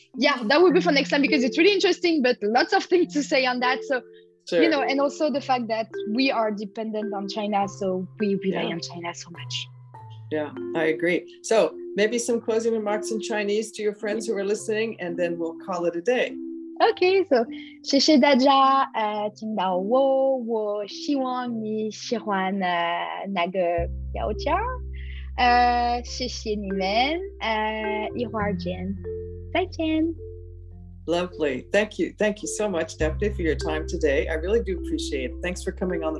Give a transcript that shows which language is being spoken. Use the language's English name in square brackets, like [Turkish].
[English] Yeah, that will be for next time, because it's really interesting, but lots of things to say on that. So. Sure. You know, and also the fact that we are dependent on China, so we rely on China so much. Yeah, I agree. So maybe some closing remarks in Chinese to your friends who are listening, and then we'll call it a day. [Chinese] Okay, so 谢谢大家听到我，我希望你喜欢那个标签。谢谢你们，一会儿见，再见。 [English] Lovely. Thank you. Thank you so much, Daphne, for your time today. I really do appreciate it. Thanks for coming on the